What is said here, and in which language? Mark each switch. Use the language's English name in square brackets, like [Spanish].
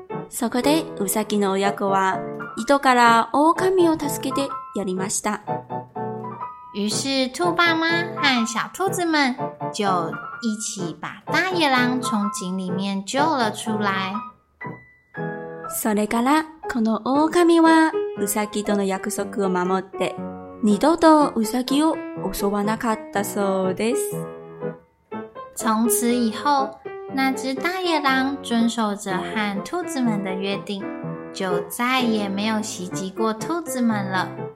[Japanese] そこでウサギの親子は糸から狼を助けてやりました。 [Chinese] 于是兔爸妈和小兔子们就一起把大野狼从井里面救了出来。 [Japanese] それからこの狼はウサギとの約束を守って二度とウサギを襲わなかったそうです。 [Chinese] 从此以后，那只大野狼遵守着和兔子们的约定，就再也没有袭击过兔子们了。